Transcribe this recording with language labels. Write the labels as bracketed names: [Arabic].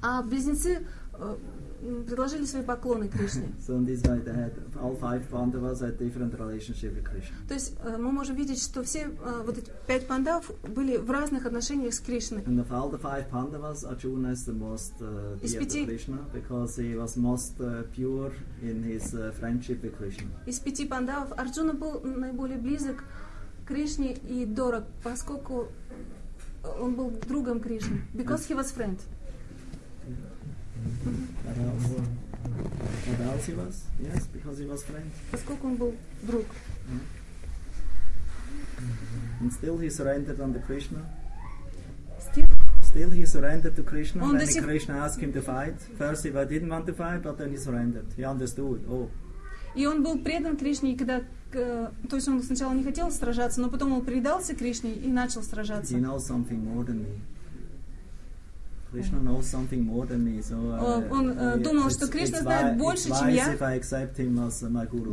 [Russian] А близнецы предложили свои поклоны Кришне. [English] So in this way, they had all five Pandavas had different relationship with Krishna. [Russian] То есть мы можем видеть, что все вот эти пять пандав были в разных отношениях с Кришной. [English] And of all the five Pandavas, Arjuna is the most dear to Krishna because he was most pure in his friendship with Krishna. [Russian] Из пяти пандав Арджуна был наиболее близок Кришне и дорог, поскольку он был другом Кришны. [English] Because he was friend. What else he was? Yes, because he was friend. [Russian] Поскольку он был друг. [English] And still he surrendered unto Krishna. Still he surrendered to Krishna. [Russian] Он [English] when Krishna asked him to fight, first he didn't want to fight, but then he surrendered. He understood. Oh. [Russian] И он был предан Кришне, и когда, то есть он сначала не хотел сражаться, но потом он предался Кришне и начал сражаться. [English] He knows something more than me. Krishna knows something more than me, so [Russian] он думал, что Кришна знает больше, чем я. [English] If I accept him as my guru.